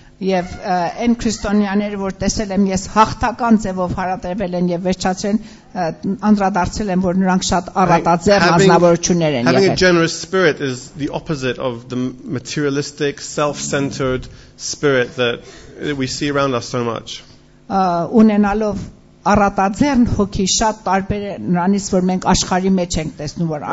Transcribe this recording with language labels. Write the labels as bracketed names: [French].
[Armenian] Եվ այն քրիստոնյաները, որ տեսել եմ ես հաղթական ձևով հարատևել են եւ վերջացրել, անդրադարձել եմ, որ նրանք շատ առատաձեռն ազնվորություններ են եղել։ [English] Having a generous spirit is the opposite of the materialistic, self-centered spirit that we see around us so much. [Armenian] Ունենալով առատաձեռն հոգի շատ տարբեր է նրանից, որ մենք աշխարհի մեջ ենք տեսնում, որ